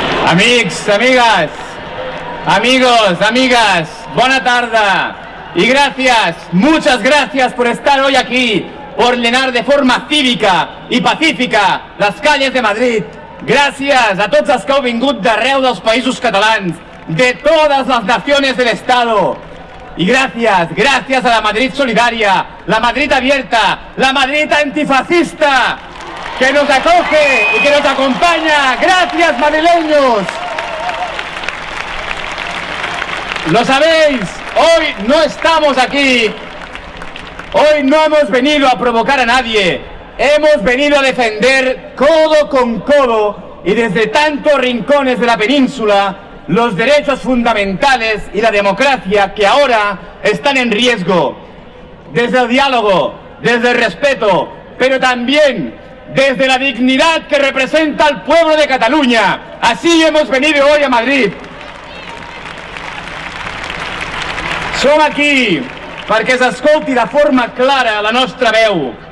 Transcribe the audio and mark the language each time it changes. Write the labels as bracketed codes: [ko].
[es] Amics, amigues, amigos, amigas, bona tarda y gracias, muchas gracias por estar hoy aquí, por llenar de forma cívica y pacífica las calles de Madrid. [ca] Gracias a tots els que heu vingut d'arreu dels països catalans, de todas las naciones del Estado. [es] Y gracias, gracias a la Madrid solidaria, la Madrid abierta, la Madrid antifascista, que nos acoge y que nos acompaña. ¡Gracias, madrileños! Lo sabéis, hoy no estamos aquí. Hoy no hemos venido a provocar a nadie. Hemos venido a defender codo con codo y desde tantos rincones de la península los derechos fundamentales y la democracia que ahora están en riesgo. Desde el diálogo, desde el respeto, pero también desde la dignidad que representa el pueblo de Cataluña. Así hemos venido hoy a Madrid. [ca] Som aquí perquè s'escolti de forma clara la nostra veu.